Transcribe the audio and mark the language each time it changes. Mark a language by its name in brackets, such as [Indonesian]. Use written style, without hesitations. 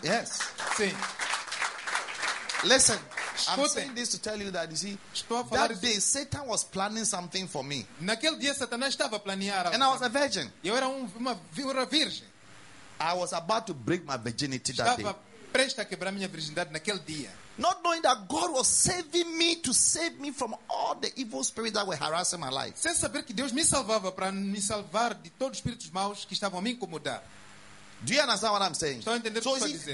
[English] Yes. [Portuguese] Sim. [English] Listen, [Portuguese] escute, [English] I'm saying this to tell you that you see that day Satan was planning something for me. [Portuguese] Naquele dia Satanás estava a planear algo. [English] And I was a virgin. [Portuguese] Eu era uma virgem. [English] I was about to break my virginity that [Portuguese] estava [English] day. [Portuguese] Estava prestes a quebrar minha virgindade naquele dia. [English] Not knowing that God was saving me to save me from all the evil spirits that were harassing my life. [Portuguese] Sem saber que Deus me salvava para me salvar de todos os espíritos maus que estavam a me incomodar. [English] Do you understand what I'm saying? [Portuguese] Estou a entender o que estou a dizer.